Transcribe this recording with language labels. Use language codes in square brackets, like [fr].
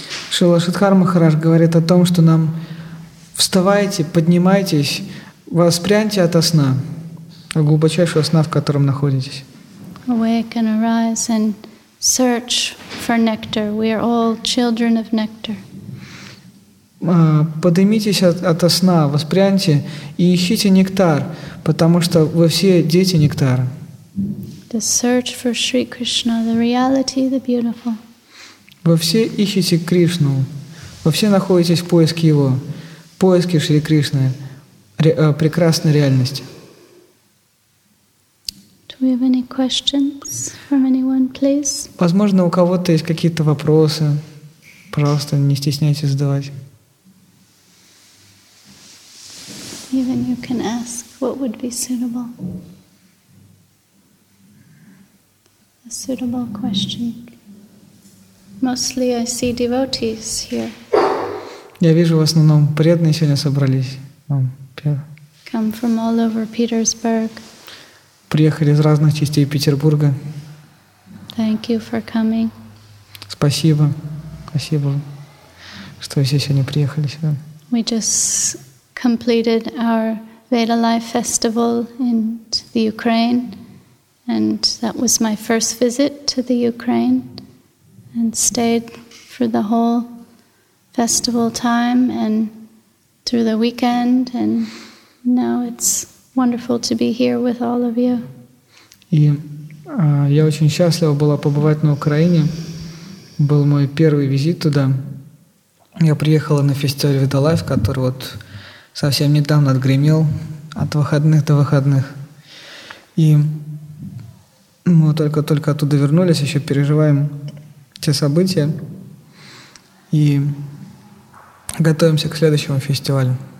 [ru] Шрила Шридхар Махарадж говорит о том, что нам вставайте, поднимайтесь, воспряньте ото сна, от глубочайшего сна, в котором находитесь. [en] Awake and arise and search for nectar. We are all children of nectar. [ru] Поднимитесь от сна, воспряньте и ищите нектар, потому что вы все дети нектара. [en] The search for Sri Krishna, the reality, the beautiful. [ru] Вы все ищете Кришну, вы все находитесь в поиске Его, в поиске Шри Кришны, прекрасной реальности. [en] Do we have any questions from anyone, please? [ru] Возможно, у кого-то есть какие-то вопросы. Пожалуйста, не стесняйтесь задавать. [en] Even you can ask what would be suitable. A suitable question. Mostly I see devotees here. [ru] Я вижу, в основном преданные сегодня собрались. [en] Come from all over Petersburg. [ru] Приехали из разных частей Петербурга. [en] Thank you for coming. [ru] Спасибо. Спасибо, что вы сегодня приехали сюда. [en] We just completed our Veda Life Festival in the Ukraine, and that was my first visit to the Ukraine, and stayed for the whole festival time and through the weekend, and now it's wonderful to be here with all of you. [ru] И я очень счастлива была побывать на Украине. Был мой первый визит туда. Я приехала на фестиваль Veda Life, который вот совсем недавно отгремел, от выходных до выходных. И мы только-только оттуда вернулись, еще переживаем те события и готовимся к следующему фестивалю.